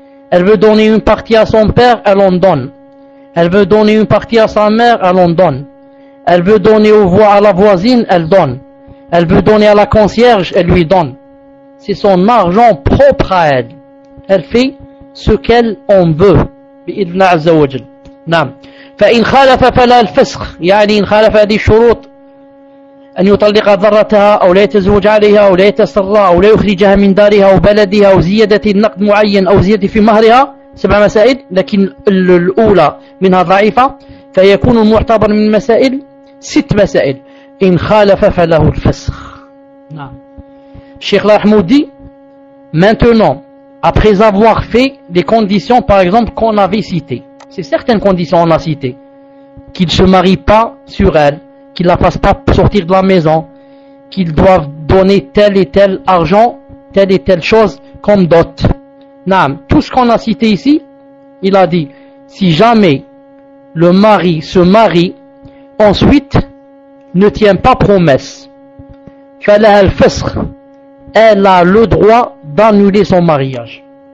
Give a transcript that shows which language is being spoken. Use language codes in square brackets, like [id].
[fr] Elle veut donner une partie à son père, elle en donne. Elle veut donner une partie à sa mère, elle en donne. Elle veut donner à la voisine, elle donne. Elle veut donner à la concierge, elle lui donne. C'est son argent propre à elle. Elle fait ce qu'elle en veut. [ar] بإذن عز وجل. نعم. فإن خالف فلا الفسخ. يعني إن خالف هذه الشروط أن يطلق ذرتها أو لا يتزوج عليها أو لا يتسرى أو لا يخرجها من دارها أو بلدها أو زيادة النقد معين أو زيادة في مهرها سبع مسائل لكن الأولى منها ضعيفة فيكون المعتبر من المسائل ست مسائل إن خالف فله الفسخ نعم [fr] الشيخ الحمودي maintenant après avoir fait les conditions par exemple qu'on avait citées c'est certaines conditions on a citées qu'il ne se marie pas sur elle qu'il ne la fasse pas sortir de la maison, qu'ils doivent donner tel et tel argent, telle et telle chose comme dot. Naam, tout ce qu'on a cité ici, il a dit, si jamais le mari se marie, ensuite ne tient pas promesse, [ar] falaha al-fisq, [fr] elle a le droit d'annuler son mariage.